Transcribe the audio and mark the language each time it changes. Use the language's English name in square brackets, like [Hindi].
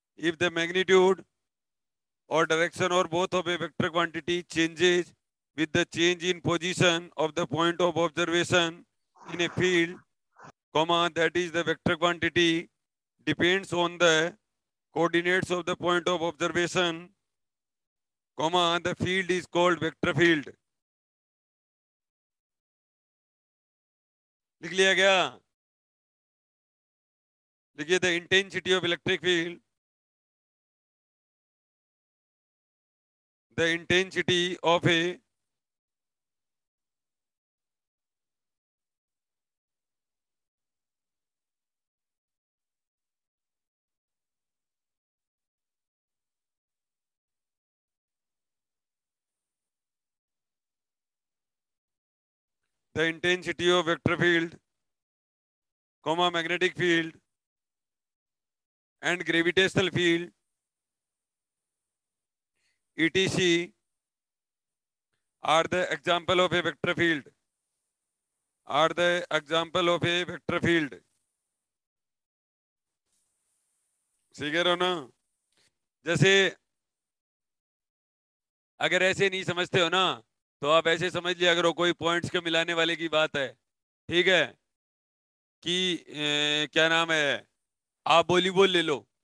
[English] If the magnitude और direction और both of a vector quantity changes with the change in position of the point of observation in a field comma that is the vector quantity depends on the coordinates of the point of observation comma the field is called vector field. [Hindi] लिख लिया गया, लिखिए [English] The intensity of electric field, the intensity of a the intensity of vector field comma magnetic field and gravitational field etc are the example of a vector field, are the example of a vector field। [Hindi] सीख रहे हो ना? जैसे अगर ऐसे नहीं समझते हो ना तो आप ऐसे समझ लिया करो कोई पॉइंट्स के मिलाने वाले की बात है, ठीक है, कि क्या नाम है, आप वॉलीबॉल ले लो,